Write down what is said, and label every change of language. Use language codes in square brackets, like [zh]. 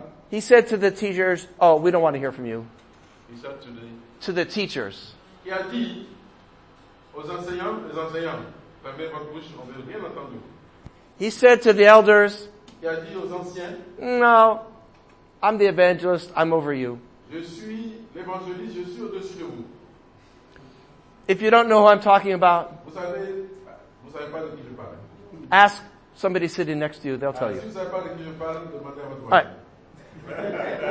[en] He said to the teachers, oh, we don't want to hear from you. He said to the... To the teachers. He said to [fr] aux enseignants, les enseignants, fermez votre bouche, on veut rien entendre. [en] He said to the elders, [fr] il a dit aux anciens, [en] no, I'm the evangelist, I'm over you. [fr] Je suis l'évangéliste, je suis au-dessus de vous. [en] If you don't know who I'm talking about, [fr] vous savez pas de qui je parle. [en] Ask somebody sitting next to you, they'll tell you. [fr] Si vous savez pas de qui je parle, demandez à votre voisin.